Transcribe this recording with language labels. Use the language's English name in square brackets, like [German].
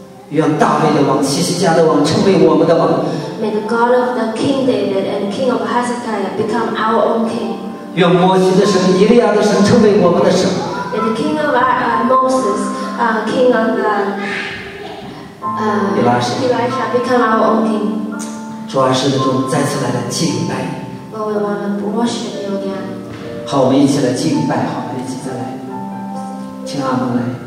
[Chinese] 愿大卫的王、西西家的王成为我们的王。 [English] May the God of the King David and King of Hezekiah become our own king. [Chinese] 愿摩西的神、以利亚的神成为我们的神。 [English] May the King of Moses, King of the Elijah become our own king. [Chinese] 主啊，是的，主，再次来敬拜。 [English] Lord, we want to worship you again. [Chinese] 好，我们一起来敬拜，好，一起再来，请阿门来。